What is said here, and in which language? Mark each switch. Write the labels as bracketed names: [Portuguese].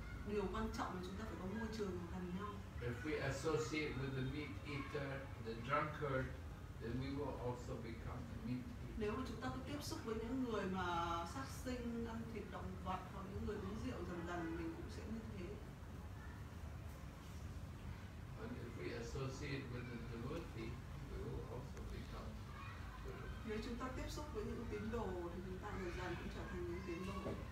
[Vietnamese] Điều quan trọng là chúng ta phải có môi trường gần nhau. [English] If we associate with the meat eater, the drunkard, then we will also become the meat eater. [Vietnamese] Nếu mà chúng ta cứ tiếp xúc với những người mà sát sinh, ăn thịt động vật hoặc những người uống rượu, dần dần mình cũng sẽ như thế. [English] But if we associate with the devotee, we will also become the devotee. [Vietnamese] Nếu chúng ta tiếp xúc với những tín đồ thì chúng ta dần dần cũng trở thành những tín đồ.